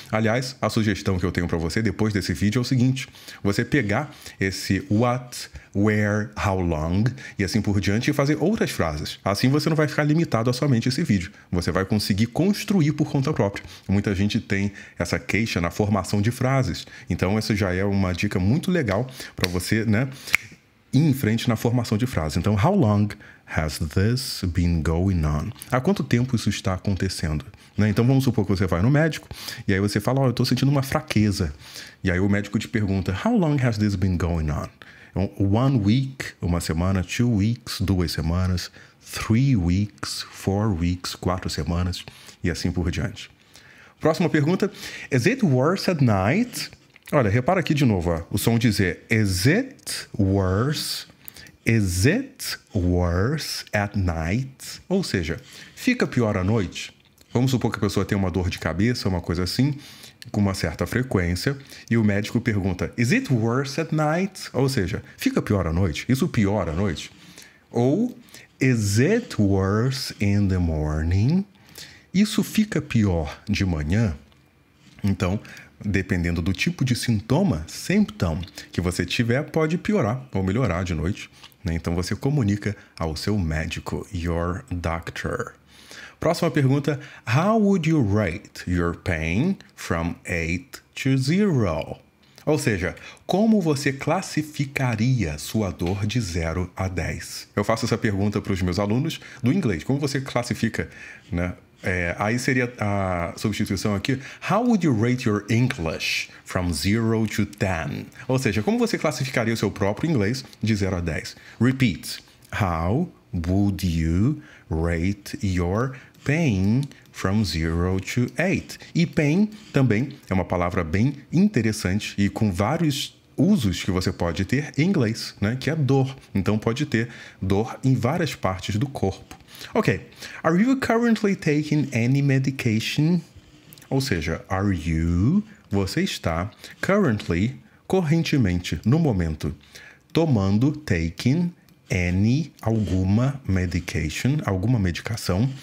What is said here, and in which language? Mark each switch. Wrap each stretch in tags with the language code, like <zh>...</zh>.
<pt>Aliás, a sugestão que eu tenho para você depois desse vídeo é o seguinte: você pegar esse</pt> <en>what, where, how long</en> <pt>e assim por diante e fazer outras frases. Assim você não vai ficar limitado a somente esse vídeo. Você vai conseguir construir por conta própria. Muita gente tem essa queixa na formação de frases. Então, essa já é uma dica muito legal para você, né, ir em frente na formação de frases.</pt> <en>Então, how long has this been going on?</en> <pt>Há quanto tempo isso está acontecendo? Né? Então, vamos supor que você vai no médico e aí você fala, ó, eu tô sentindo uma fraqueza. E aí o médico te pergunta,</pt> <en>how long has this been going on? One week,</en> <pt>uma semana,</pt> <en>2 weeks,</en> <pt>2 semanas,</pt> <en>3 weeks, 4 weeks,</en> <pt>4 semanas e assim por diante. Próxima pergunta,</pt> <en>is it worse at night?</en> <pt>Olha, repara aqui de novo, ó, o som de Z.</pt> <en>Is it worse? Is it worse at night?</en> <pt>Ou seja, fica pior à noite? Vamos supor que a pessoa tem uma dor de cabeça, uma coisa assim, com uma certa frequência, e o médico pergunta,</pt> <en>is it worse at night?</en> <pt>Ou seja, fica pior à noite? Isso piora à noite? Ou,</pt> <en>is it worse in the morning?</en> <pt>Isso fica pior de manhã? Então, dependendo do tipo de sintoma, symptom, que você tiver, pode piorar ou melhorar de noite, né? Então você comunica ao seu médico,</pt> <en>your doctor.</en> <pt>Próxima pergunta,</pt> <en>how would you rate your pain from 8 to 0?</en> <pt>Ou seja, como você classificaria sua dor de 0 a 10? Eu faço essa pergunta para os meus alunos do inglês, como você classifica, né? Aí seria a substituição aqui,</pt> <en>how would you rate your English from 0 to 10?</en> <pt>Ou seja, como você classificaria o seu próprio inglês de 0 a 10?</pt> <en>Repeat, how would you rate your pain from 0 to 8?</en> <pt>E pain também é uma palavra bem interessante e com vários usos que você pode ter em inglês, né? Que é dor. Então pode ter dor em várias partes do corpo.</pt> <en>Ok, are you currently taking any medication?</en> <pt>Ou seja, are you, você está, currently, correntemente, no momento, tomando, taking, any, alguma medication, alguma medicação.</pt>